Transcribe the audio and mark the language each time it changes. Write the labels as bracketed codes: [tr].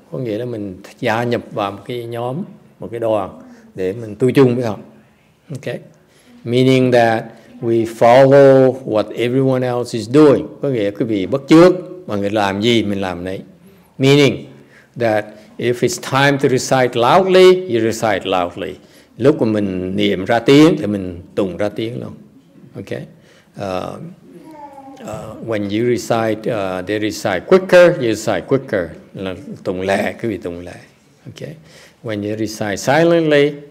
[vi] Có nghĩa là mình gia nhập vào một cái nhóm, một cái đoàn để mình tu chung với họ. [en] Okay. Meaning that we follow what everyone else is doing. [vi] Có nghĩa là quý vị bắt chước mọi người làm gì mình làm đấy. [en] Meaning that if it's time to recite loudly, you recite loudly. [vi] Lúc mà mình niệm ra tiếng thì mình tụng ra tiếng luôn. [en] Okay. When you recite, they recite quicker. You recite quicker. [vi] Là tụng lẹ, quý vị tụng lẹ. [en] Okay. When you recite silently,